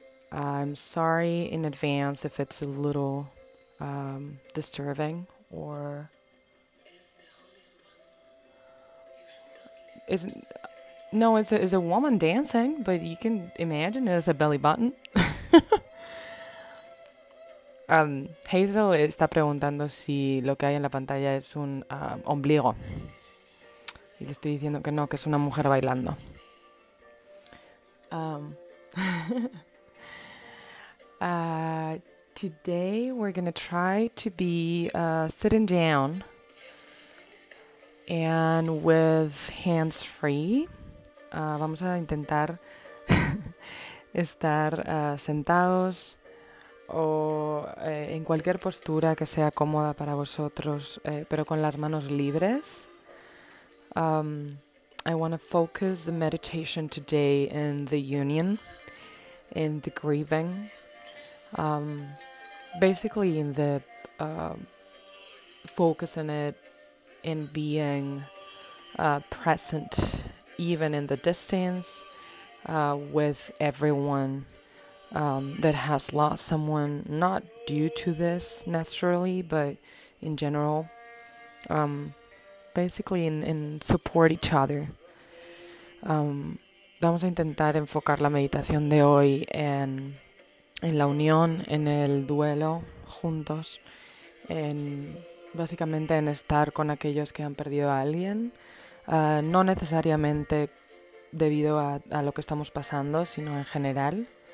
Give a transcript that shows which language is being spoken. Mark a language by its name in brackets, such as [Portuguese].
[English] I'm sorry in advance if it's a little disturbing or... It's a woman dancing, but you can imagine it as a belly button. [Spanish] Hazel está preguntando si lo que hay en la pantalla es un ombligo. Y le estoy diciendo que no, que es una mujer bailando. [English] Today we're going to try to be sitting down. And with hands free, [Spanish] vamos a intentar estar sentados o en cualquier postura que sea cómoda para vosotros, pero con las manos libres. [English] I want to focus the meditation today in the union, in the grieving, basically in the focus on it. In being present, even in the distance, with everyone that has lost someone, not due to this necessarily, but in general, basically in support each other. [Spanish] Vamos a intentar enfocar la meditación de hoy en la unión, en el duelo, juntos, en... Básicamente en estar con aquellos que han perdido a alguien, no necesariamente debido a lo que estamos pasando, sino en general.